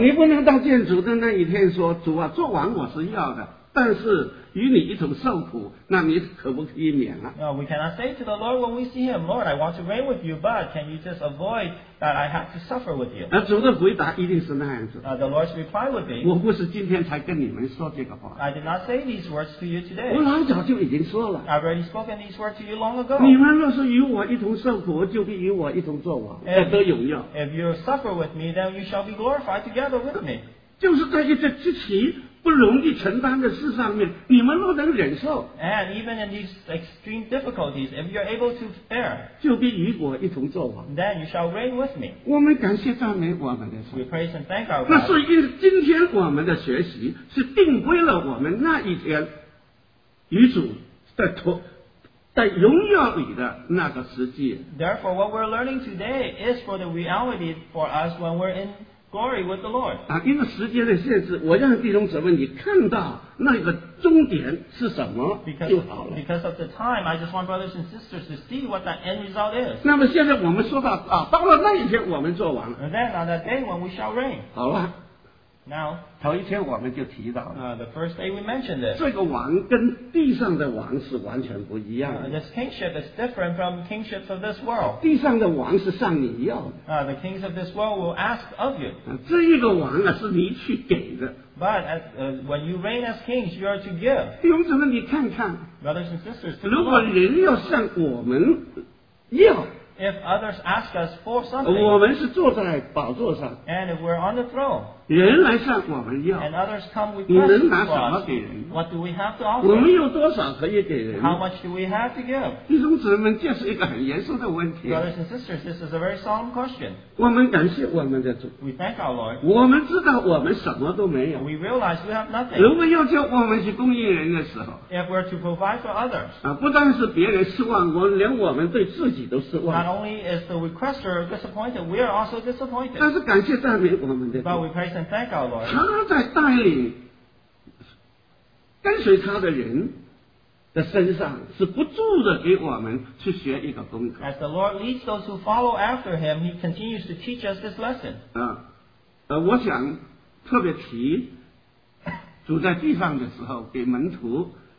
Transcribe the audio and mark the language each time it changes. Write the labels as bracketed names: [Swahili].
[Chinese] 你不能到见主的那一天说，主啊，做王我是要的。但是与你一同受苦, [English] no, we cannot say to the Lord when we see Him, Lord, I want to reign with you, but can you just avoid that I have to suffer with you? [Chinese] 主的回答一定是那样子, [English] the Lord's reply would be, [Chinese] 我不是今天才跟你们说这个话, [English] I did not say these words to you today. [Chinese] 我老早就已经说了, [English] I've already spoken these words to you long ago. [Chinese] 你们若是与我一同受苦, 就必与我一同作王, [English] if you suffer with me, then you shall be glorified together with me. [Chinese] 就是在一个之前, 不容易承担的事上面, 你们若能忍受, [English] and even in these extreme difficulties, if you're able to bear, [Chinese] 就必与我一同作王, [English] then you shall reign with me. [Chinese] 我们感谢赞美我们的神, [English] we praise and thank our God. [Chinese] 那是因为今天我们的学习, 是定规了我们那一天, 与主在同, 在荣耀里的那个时机, [English] therefore, what we're learning today is for the reality for us when we're in glory with the Lord. [Chinese] 因为时间的限制, 我让弟兄姊妹你看到那个终点是什么就好了。 [English] Because of the time, I just want brothers and sisters to see what that end result is. [Chinese] 那么现在我们说到, 到了那一天, 我们做完了。 [English] And then on that day when we shall reign. [Chinese] 好了。头一天我们就提到了, [English] the first day we mentioned this. [Chinese] 这个王跟地上的王是完全不一样的。 [English] This kingship is different from kingships of this world. [Chinese] 地上的王是向你要的。 [English] The kings of this world will ask of you. [Chinese] 这一个王是你去给的。 [English] But as, when you reign as kings, you are to give. [Chinese] 弟兄姊妹你看看, [English] brothers and sisters, [Chinese] 如果人要向我们要, [English] if others ask us for something, [Chinese] 我们是坐在宝座上, [English] and if we're on the throne, [Chinese] 人来向我们要, [English] and others come with questions, [Chinese] 你能拿什么给人? [English] What do we have to offer? [Chinese] 我们有多少可以给人? [English] How much do we have to give? [Chinese] 弟兄姊妹们,这是一个很严肃的问题。 [English] Brothers and sisters, this is a very solemn question. [Chinese] 我们感谢我们的主, [English] we thank our Lord. [Chinese] 我们知道我们什么都没有, [English] we realize we have nothing. [Chinese] 如果要叫我们去供应人的时候, [English] if we're to provide for others, [Chinese] 不但是别人失望过, 连我们对自己都失望, [English] not only is the requester disappointed, we are also disappointed. [Chinese] 但是感谢赞美我们的主, [English] but we praise and thank our Lord. [Chinese] 他在带领跟随他的人, 身上是不住的给我们去学一个功课。 [English] As the Lord leads those who follow after Him, He continues to teach us this lesson. [Chinese] 我想特别提主在地上的时候给门徒